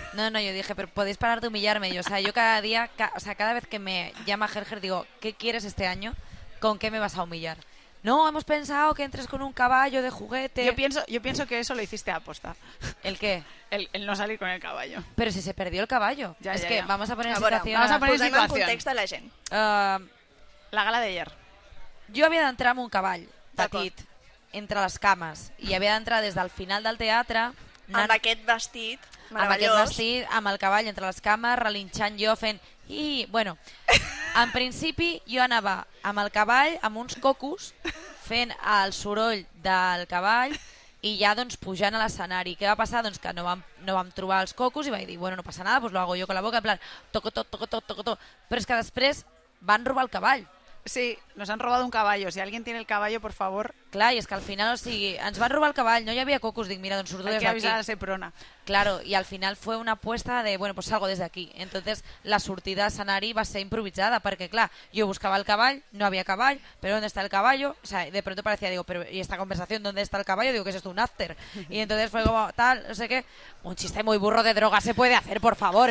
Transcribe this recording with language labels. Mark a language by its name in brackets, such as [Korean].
[Spanish] No, yo dije, pero podéis parar de humillarme. Yo, o sea, yo cada día, cada vez que me llama Helger, digo, ¿qué quieres este año? ¿Con qué me vas a humillar? No, hemos pensado que entres con un caballo de juguete. Yo pienso que eso lo hiciste aposta. ¿El qué? El no salir con el caballo. Pero si se perdió el caballo. Ya, es ya, que ya. Vamos a poner ahora, situación. Vamos a poner pues situación. En contexto a la gent. La gala de ayer. [Catalan] Jo havia d'entrar amb un cavall petit entre les cames i havia d'entrar des del final del teatre amb aquest vestit meravellós. Amb aquest vestit, amb el cavall entre les cames, relinxant jo, fent... I, bueno, en principi jo anava amb el cavall, amb uns cocos, fent el soroll del cavall i ja doncs pujant a l'escenari. Què va passar? Doncs que no vam trobar els cocos i vaig dir, [Spanish] bueno, no passa nada, pues lo hago yo con la boca, en plan, toco, toco, toco, toco, toco. [Catalan] Però és que després van robar el cavall. [Spanish] Sí, nos han robado un caballo. Si alguien tiene el caballo, por favor. [Catalan] Clar, i és que al final, o sigui, ens van robar el cavall, no hi havia cocos, dic, mira, doncs surto des d'aquí. [Spanish] Hay que avisar a la Seprona. Claro, i al final fue una apuesta de, bueno, pues salgo des d'aquí. [Catalan] Entonces, la sortida a escenari va ser improvisada, perquè, clar, jo buscava el cavall, no havia cavall, però on està el cavall? O sigui, [Spanish] de pronto parecía, digo, pero ¿y esta conversación? ¿Dónde está el caballo? Digo, que es esto un after. Y entonces fue como tal, no sé qué. Un chiste muy burro de droga se puede hacer, por favor.